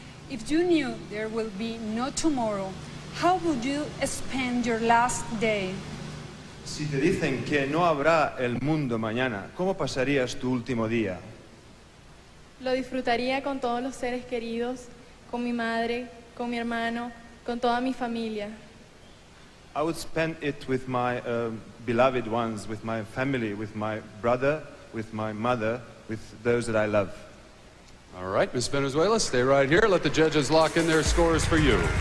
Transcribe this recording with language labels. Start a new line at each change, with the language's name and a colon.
English: If you knew there will be no tomorrow, how would you spend your last day?
Spanish: Si te dicen que no habrá el mundo mañana, ¿cómo pasarías tu último día? Lo disfrutaría con todos los seres queridos, con mi madre, con mi hermano, con toda mi familia.
English: I would spend it with my beloved ones, with my family, with my brother, with my mother, with those that I love. All right, Miss Venezuela, stay right here. Let the judges lock in their scores for you.